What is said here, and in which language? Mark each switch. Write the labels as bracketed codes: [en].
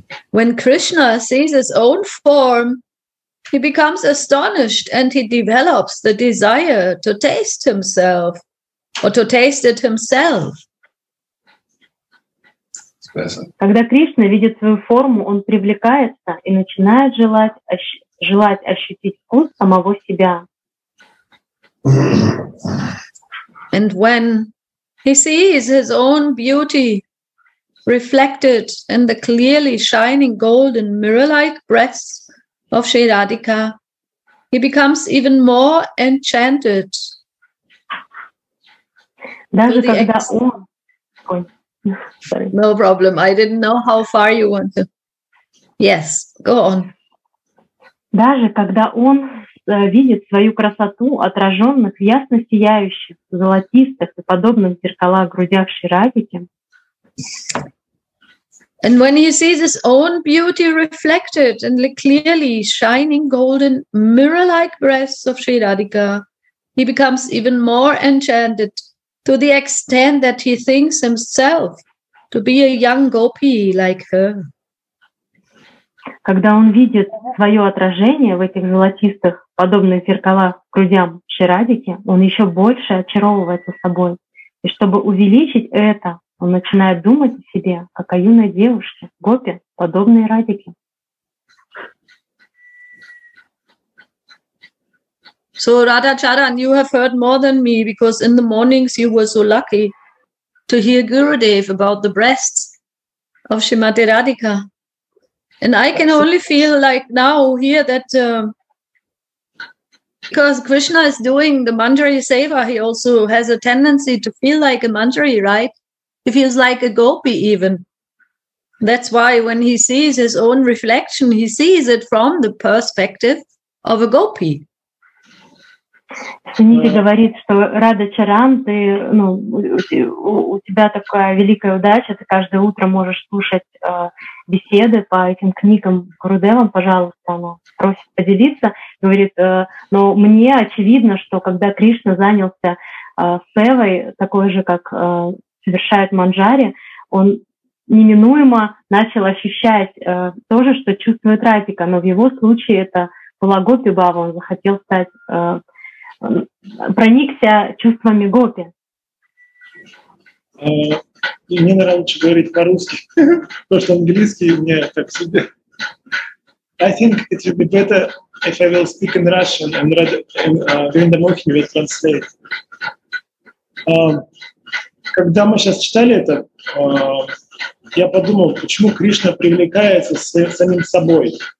[en] When Krishna sees his own form, he becomes astonished and he develops the desire to taste himself or to taste it himself. [ru] Когда Кришна видит свою форму, он привлекается и начинает желать ощутить вкус самого себя. [en] And when he sees his own beauty reflected in the clearly shining golden mirror-like breasts of Shri Radhika, he becomes even more enchanted. [ru] Даже когда он... [en] No problem. I didn't know how far you want to. Yes, go on. [ru] Даже когда он видит свою красоту, отраженных, ясно сияющих, золотистых и подобных зеркала в грудях Ширадики. [en] And when he sees his own beauty reflected in the clearly shining golden mirror-like breasts of Sri Radhika, he becomes even more enchanted to the extent that he thinks himself to be a young gopi like her. [ru] Когда он видит свое отражение в этих золотистых, подобных зеркалах, грудям Шри Радхики, он еще больше очаровывается собой. И чтобы увеличить это, он начинает думать о себе, как о юной девушке, гопе, подобной Радхике. [en] So, Radha Charan, you have heard more than me, because in the mornings you were so lucky to hear Gurudev about the breasts of Srimati Radhika. And I can only feel like now here that because Krishna is doing the Manjari Seva, he also has a tendency to feel like a Manjari, right? He feels like a gopi even. That's why when he sees his own reflection, he sees it from the perspective of a gopi. [ru] Сунити говорит, что Рада Чаран, ты, ну, у тебя такая великая удача, ты каждое утро можешь слушать беседы по этим книгам Гурудевам, пожалуйста, ну, просит поделиться. Говорит, но мне очевидно, что когда Кришна занялся севой, такой же, как совершает Манджари, он неминуемо начал ощущать то же, что чувствует Радика, но в его случае это была Гопи Бава, он захотел стать... проникся чувствами гопи. И мне нравится говорить по-русски, потому что английский мне так себе. [en] I think it would be better if I will speak in Russian and Vrinda Mohini will translate. [ru] Когда мы сейчас читали это, я подумал, почему Кришна привлекается самим собой.